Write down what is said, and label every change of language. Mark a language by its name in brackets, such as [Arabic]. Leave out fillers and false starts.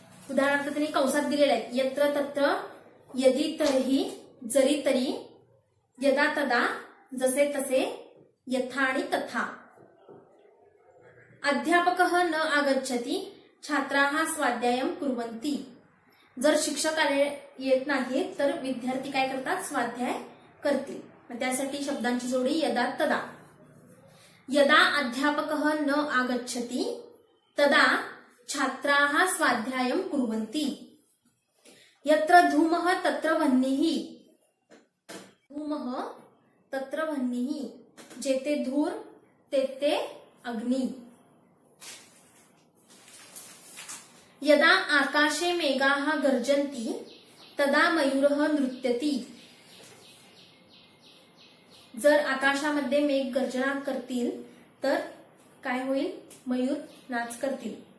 [Marathi] उदाहरणार्थ त्यांनी कंसात दिलेले आहेत, यत्र तत्र यदि तरी जरी तरी यदा तदा जसे तसे यथा आणि तथा। [Sanskrit] अध्यापकः न आगच्छति छात्राः स्वाध्यायं कुर्वन्ति, [Marathi] जर शिक्षक आले येत नाहीत तर विद्यार्थी काय करतात स्वाध्याय करतील, त्यासाठी शब्दांची जोडी यदा तदा। [Sanskrit] यदा अध्यापकः न आगच्छति तदा छात्राः स्वाध्यायं कुर्वन्ति। यत्र धूमः तत्र वह्निः, धूमः तत्र वह्निः, [Marathi] जेते धूर तेते अग्नि। [Sanskrit] यदा आकाशे मेघाः गर्जन्ति तदा मयूरः नृत्यति, [Marathi] जर आकाशामध्ये मेघ गर्जना करतील तर काय होईल, मयूर नाच करतील।